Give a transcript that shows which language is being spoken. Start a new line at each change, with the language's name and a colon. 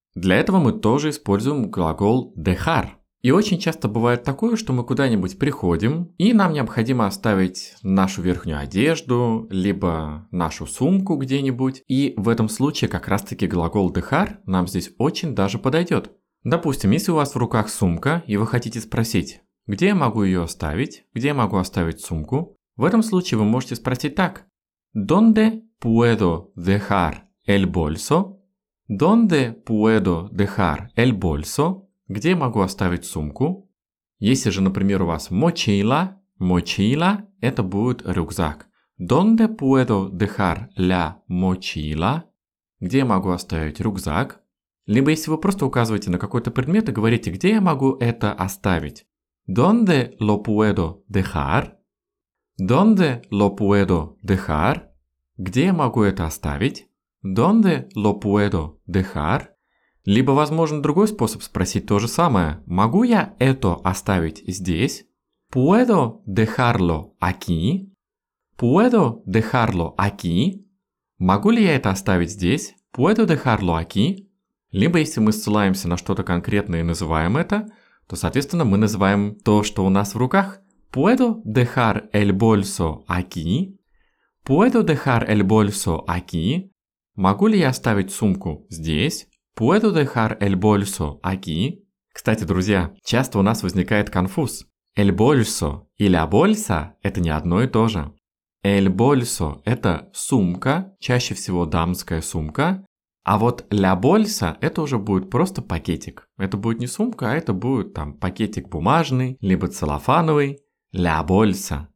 Russian: Для этого мы тоже используем глагол «dejar». И очень часто бывает такое, что мы куда-нибудь приходим, и нам необходимо оставить нашу верхнюю одежду, либо нашу сумку где-нибудь. И в этом случае как раз-таки глагол «dejar» нам здесь очень даже подойдет. Допустим, если у вас в руках сумка, и вы хотите спросить, где я могу ее оставить, где я могу оставить сумку, в этом случае вы можете спросить так.
Spanish: ¿Dónde puedo dejar el bolso? ¿Dónde puedo dejar el bolso?
Russian: Где я могу оставить сумку? Если же, например, у вас mochila, mochila – это будет рюкзак.
Spanish: ¿Dónde puedo dejar la mochila?
Russian: Где я могу оставить рюкзак? Либо если вы просто указываете на какой-то предмет и говорите, где я могу это оставить?
Spanish: ¿Dónde lo puedo dejar? ¿Dónde lo puedo dejar?
Russian: Где я могу это оставить?
Spanish: ¿Dónde lo puedo dejar?
Russian: Либо, возможно, другой способ спросить то же самое. Могу я это оставить здесь?
Spanish: ¿Puedo dejarlo aquí? ¿Puedo dejarlo aquí?
Russian: Могу ли я это оставить здесь?
Spanish: ¿Puedo dejarlo aquí?
Russian: Либо, если мы ссылаемся на что-то конкретное и называем это, то, соответственно, мы называем то, что у нас в руках.
Spanish: ¿Puedo dejar el bolso aquí? ¿Puedo dejar el bolso aquí?
Russian: Могу ли я оставить сумку здесь?
Spanish: ¿Puedo dejar el bolso aquí?
Russian: Кстати, друзья, часто у нас возникает конфуз. El bolso и la bolsa – это не одно и то же. El bolso – это сумка, чаще всего дамская сумка. А вот la bolsa – это уже будет просто пакетик. Это будет не сумка, а это будет там пакетик бумажный, либо целлофановый. La bolsa.